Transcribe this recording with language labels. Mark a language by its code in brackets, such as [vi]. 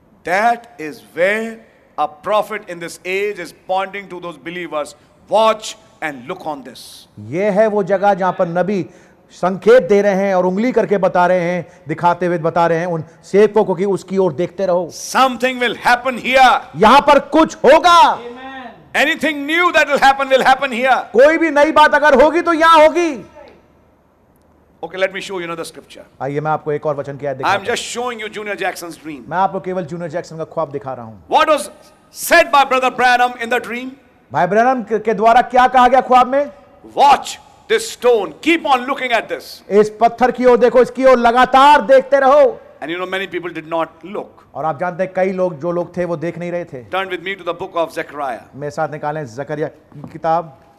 [en] That is where a prophet in this age is pointing to those believers, watch And look on this. [hi] ये है वो जगह जहां पर नबी संकेत दे रहे हैं और उंगली करके बता रहे हैं, दिखाते हुए बता रहे हैं उन सेवकों को कि उसकी ओर देखते रहो। [en] Something will happen here. [hi] यहां पर कुछ होगा। [en] Amen. Anything new that will happen here. [hi] कोई भी नई बात अगर होगी तो यहां होगी। [en] Okay, let me show you another scripture. [hi] आइए मैं आपको एक और वचन की आयत दिखाता [en] हूं। I'm just showing you Junior Jackson's dream. [hi] मैं आपको केवल जूनियर जैक्सन का ख्वाब दिखा रहा हूं। [en] What was said by Brother Branham in the dream? [hi] भाई ब्रैनम के द्वारा क्या कहा गया ख्वाब में? [en] watch this stone, keep on looking at this, [hi] इस पत्थर की ओर देखो, इसकी ओर लगातार देखते रहो। [en] and you know many people did not look, [hi] और आप जानते हैं कई लोग, जो लोग थे वो देख नहीं रहे थे। [en] turn with me to the book of Zechariah, [hi] मेरे साथ निकालें ज़करिया की किताब,